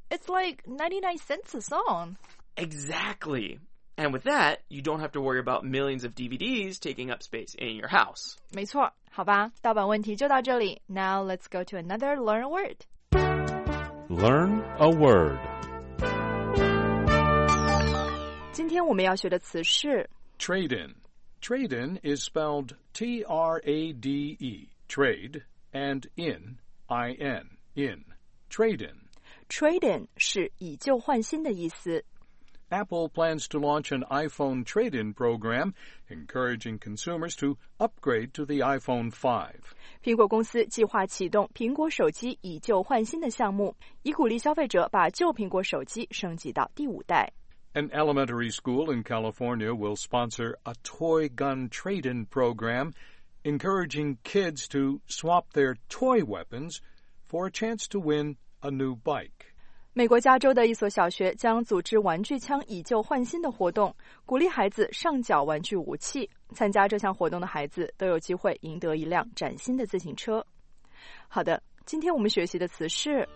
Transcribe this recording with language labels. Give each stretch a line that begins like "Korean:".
English: It's like 99 cents a song. Exactly. And with that, you don't have to worry about millions of DVDs taking up space in your house.
Chinese: 没错，好吧，盗版问题就到这里。
English: Now let's go to another Learn a Word. Learn a Word.
Chinese: 今天我们要学的词是
English: Trade-in. Trade-in is spelled T-R-A-D-E, trade, and in, I-N, in. Trade-in.
Chinese: Trade-in 是以旧换新的意思。
English: Apple plans to launch an iPhone trade-in program, encouraging consumers to upgrade to the iPhone 5.
Chinese: 苹果公司计划启动苹果手机以旧换新的项目，以鼓励消费者把旧苹果手机升级到第五代。
English: An elementary school in California will sponsor a toy gun trade-in program, encouraging kids to swap their toy weapons for a chance to win a new bike.
Chinese: 美国加州的一所小学将组织玩具枪以旧换新的活动，鼓励孩子上缴玩具武器。参加这项活动的孩子都有机会赢得一辆崭新的自行车。好的，今天我们学习的词是